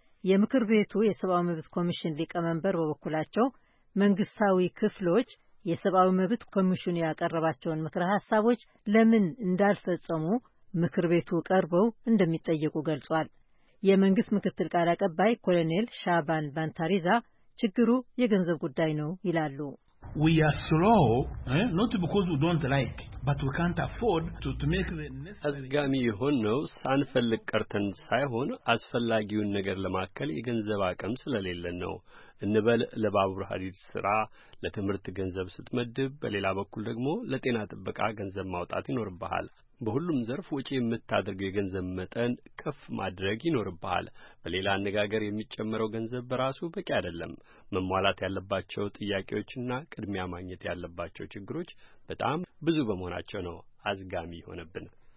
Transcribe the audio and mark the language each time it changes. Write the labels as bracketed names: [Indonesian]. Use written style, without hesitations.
[Amharic] የምክር ቤቱ የሰብአዊ መብት ኮሚሽን ሊቀመንበር በበኩላቸው መንግስታዊ ክፍሎች የሰብአዊ መብት ኮሚሽኑ ያቀረባቸውን ምክረ ሐሳቦች ለምን እንዳልፈጸሙ ምክር ቤቱ ቀርበው እንደሚጠየቁ ገልጿል። የመንግስት ምክትል ቃል አቀባይ ኮሎኔል ሻባን ባንታሪዛ ችግሩ የገንዘብ ጉዳይ ነው ይላሉ። [English] We are slow, not because we don't like, but we can't afford to make the necessary. [Amharic] አስጋሚ ሆነው ሳንፈልግ ቀርተን ሳይሆን አስፈላጊውን ነገር ለማከል የገንዘብ አቅም ስለሌለን ነው። እንበል ለባቡር ሐዲድ ስራ ለትምርት ገንዘብ ስትመድብ፣ በሌላ በኩል ደግሞ ለጤና ጥበቃ ገንዘብ ማውጣት ይኖርብሃል። በሁሉም ዘርፍ ወጪ የምታደርገው የገንዘብ መጠን ከፍ ማድረግ ይኖርብሃል። በሌላ አነጋገር የሚጨመረው ገንዘብ በራሱ በቂ አይደለም። መሟላት ያለባቸው ጥያቄዎችና ቅድሚያ ማግኘት ያለባቸው ችግሮች በጣም ብዙ በመሆናቸው ነው አዝጋሚ ሆነብን።